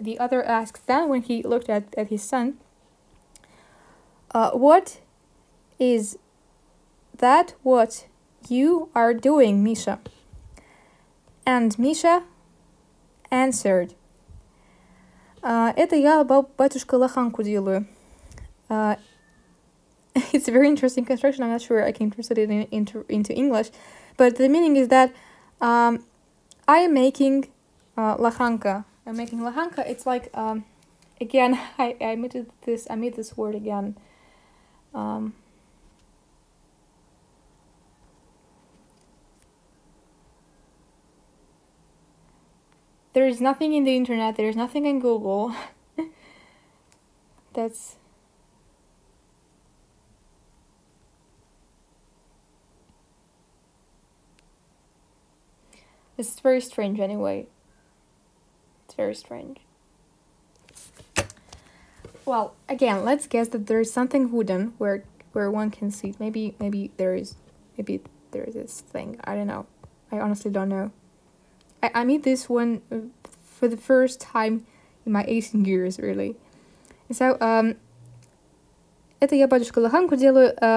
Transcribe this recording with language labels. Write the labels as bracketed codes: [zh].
[en] The other asked then when he looked at his son. What is that what you are doing, Misha? And Misha answered. [ru] Это я батюшка лоханку делаю. [en] It's a very interesting construction. I'm not sure I can translate it into English, but the meaning is that I am making lahanka. I'm making lahanka. It's like again, I made this word again. There is nothing in the internet. There is nothing in Google. That's. It's very strange anyway. It's very strange. Well, again, let's guess that there is something wooden where one can see. Maybe there is this thing. I don't know. I honestly don't know. I made this one for the first time in my 18 years, really. [ru] So, это я батюшка лоханку делаю.